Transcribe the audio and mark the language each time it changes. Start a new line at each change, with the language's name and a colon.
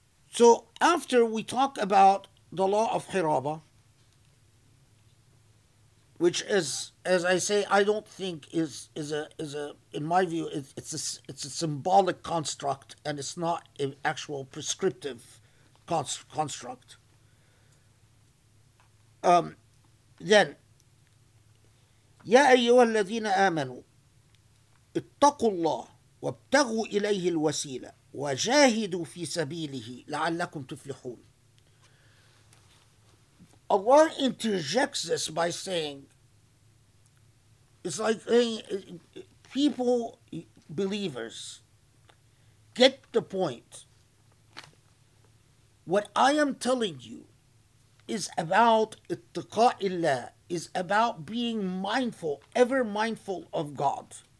English: So after we talk about the law of Hiraba, which is, as I say, I don't think is a in my view, it's a symbolic construct, and it's not an actual prescriptive construct. Then,
Arabic: يا أيها الذين آمنوا اتقوا الله وابتغوا إليه الوسيلة وجاهدوا في سبيله لعلكم تفلحون.
English: Allah interjects this by saying, it's like, hey, people, believers, get the point. What I am telling you is about ittaqa'illah, is about being mindful, ever mindful of God.